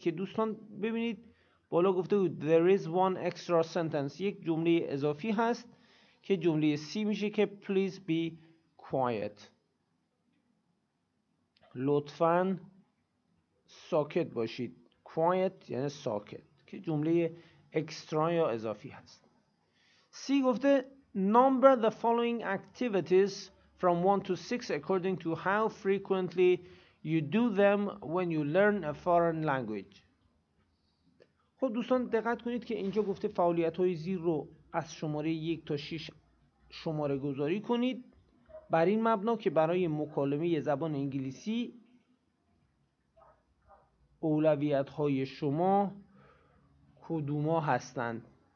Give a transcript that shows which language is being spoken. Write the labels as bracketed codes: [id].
[fa] که دوستان ببینید بالا گفته بود [en] there is one extra sentence، [fa] یک جمله اضافی هست که جمله C میشه که [en] please be quiet، [fa] لطفاً ساکت باشید، quiet یعنی ساکت، که جمله extra یا اضافی هست. [en] C گفته number the following activities from 1 to 6 according to how frequently you do them when you learn a foreign language. [fa] خب دوستان دقت کنید که اینجا گفته فعالیت های زیر رو از شماره 1 تا 6 شماره گذاری کنید، بر این مبنا که برای مکالمه زبان انگلیسی اولویت های شما کدوما هستند.